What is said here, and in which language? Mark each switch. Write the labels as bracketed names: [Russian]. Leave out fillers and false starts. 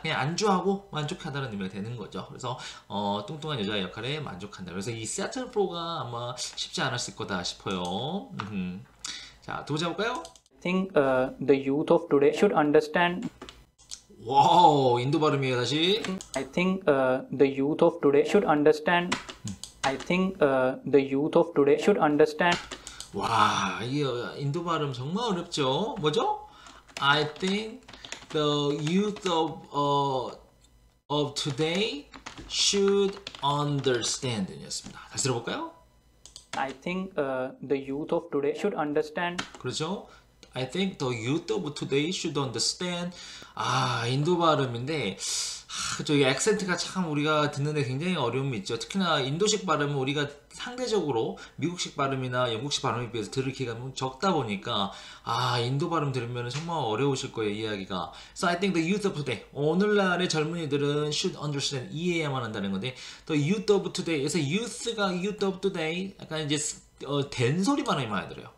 [Korean] 그냥 안주하고 만족하다는 의미가 되는 거죠. 그래서 뚱뚱한 여자 역할에 만족한다. 그래서 이 settle for가 아마 쉽지 않았을 거다 싶어요. 자, 두 번째 볼까요? [English] Think the youth of today should understand. [Korean] 와우, 인도 발음이에요, 다시. [English] I think the youth of today should understand. I think the youth of today should understand. [Korean] 와, 이 인도 발음 정말 어렵죠? 뭐죠? [English] I think the youth of today should understand 이었습니다. [Korean] 다시 들어볼까요? [English] I think the youth of today should understand. [Korean] 그렇죠? [English] I think the youth of today should understand. [Korean] 아, 인도 발음인데, 저기 액센트가 참 우리가 듣는데 굉장히 어려움이 있죠. 특히나 인도식 발음은 우리가 상대적으로 미국식 발음이나 영국식 발음에 비해서 들을 기회가 적다 보니까, 아, 인도 발음 들으면 정말 어려우실 거예요, 이야기가. [English] So I think the youth of today, [Korean] 오늘날의 젊은이들은 [English] should understand, [Korean] 이해해야만 한다는 건데, [English] the youth of today, 그래서 youth가 youth of today, [Korean] 약간 이제, 된 소리 발음이 많이 들어요.